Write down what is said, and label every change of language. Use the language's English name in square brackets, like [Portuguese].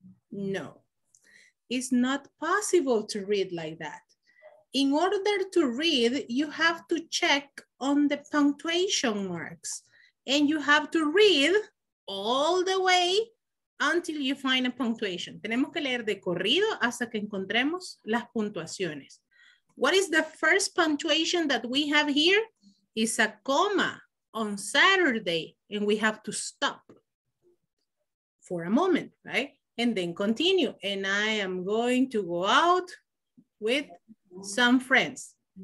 [English] No, it's not possible to read like that. In order to read, you have to check on the punctuation marks and you have to read all the way until you find a punctuation. [Spanish] Tenemos que leer de corrido hasta que encontremos las puntuaciones. [English] What is the first punctuation that we have here? It's a comma on Saturday, and we have to stop for a moment, right? And then continue. And I am going to go out with some friends.